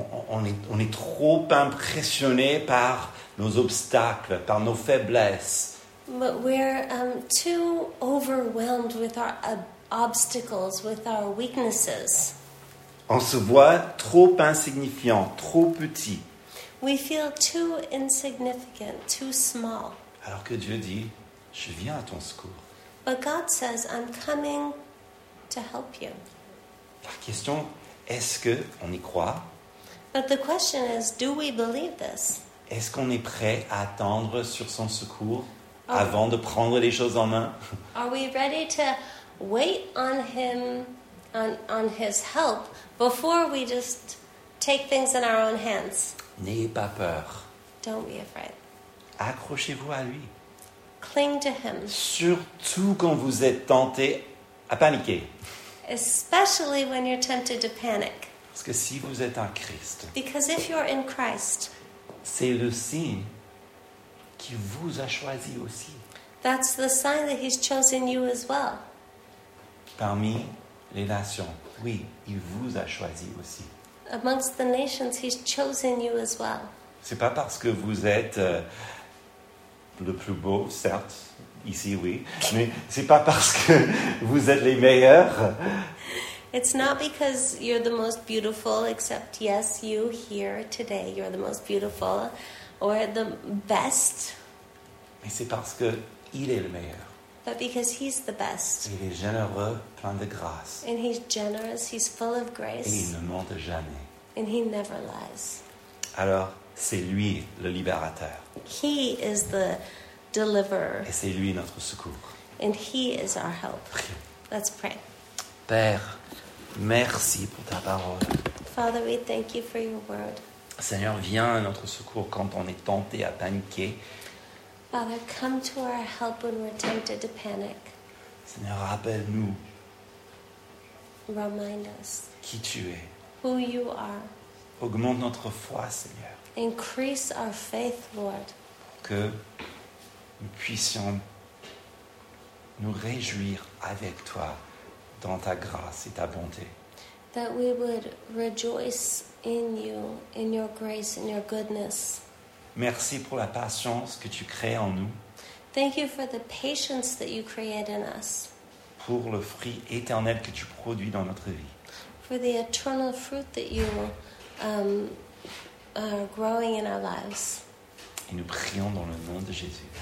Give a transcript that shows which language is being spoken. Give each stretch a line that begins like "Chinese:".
French: on est trop impressionné par nos obstacles, par nos faiblesses.
English: But we're too overwhelmed with our obstacles, with our weaknesses.
French: On se voit trop insignifiant, trop petit.
English: We feel too insignificant, too small.
French: Alors que Dieu dit, je viens à ton secours.
English: But God says, I'm coming to help you.
French: La question. Est-ce qu'on y croit?
English: But the question is, do we believe this?
French: Est-ce qu'on est prêt à attendre sur son secours avant de prendre les choses en main?
English: Are we ready to wait on him, on his help, before we just take things in our own hands?
French: N'ayez pas peur.
English: Don't be afraid.
French: Accrochez-vous à lui.
English: Cling to him.
French: Surtout quand vous êtes tenté à paniquer.
English: Especially when you're tempted to panic.
French: Parce que si vous êtes en Christ,
English: because if you're in Christ,
French: c'est le signe qu'il vous a choisi aussi.
English: That's the sign that he's chosen you as well.
French: Parmi les nations, oui, il vous a choisi aussi.
English: Amongst the nations, he's chosen you as well.
French: C'est pas parce que vous êtes le plus beau, certes. Ici, oui. Mais ce n'est pas parce que vous êtes les meilleurs.
English: It's not because you're the most beautiful, except, yes, you here today, you're the most beautiful, or the best.
French: Mais c'est parce qu'il est le meilleur.
English: But because he's the best.
French: Il est généreux, plein de grâce.
English: And he's generous, he's full of grace.
French: Et il ne ment jamais.
English: And he never lies.
French: Alors, c'est lui le libérateur.
English: He is the deliverer.
French: Et c'est lui notre secours.
English: And he is our help.
French: Prions.
English: Let's pray.
French: Père, merci pour ta parole.
English: Father, we thank you for your word.
French: Seigneur, viens à notre secours quand on est tenté à paniquer.
English: Father, come to our help when we're tempted to panic.
French: Seigneur, rappelle-nous.
English: Remind us.
French: Qui tu es.
English: Who you are.
French: Augmente notre foi, Seigneur.
English: Increase our faith, Lord.
French: Que nous puissions nous réjouir avec toi dans ta grâce et ta bonté.
English: That we would rejoice in you, in your grace, in your goodness.
French: Merci pour la patience que tu crées en nous.
English: Thank you for the patience that you create in us.
French: pour le fruit éternel que tu produis dans notre vie.
English: For the eternal fruit that you are growing in our lives.
French: Et nous prions dans le nom de Jésus.